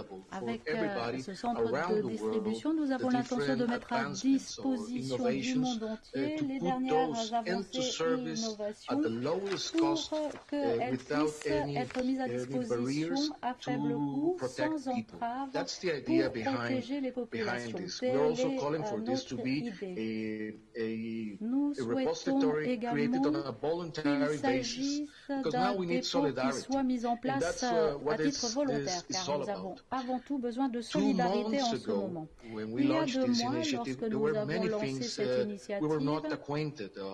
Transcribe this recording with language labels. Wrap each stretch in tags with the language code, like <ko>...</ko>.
<fr>Avec ce centre de distribution, nous avons l'intention de mettre à disposition du monde entier les dernières avancées et innovations pour qu'elles puissent être mises à disposition à faible coût, sans entrave, pour protéger les populations.</fr> <en>We're also calling for this to be a repository created on a voluntary basis, because now we need solidarity. And that's what it's all about.</en> <fr>Avant tout besoin de solidarité en ce moment.</fr> <en>When we launched this initiative, there were many things we were not acquainted.</en>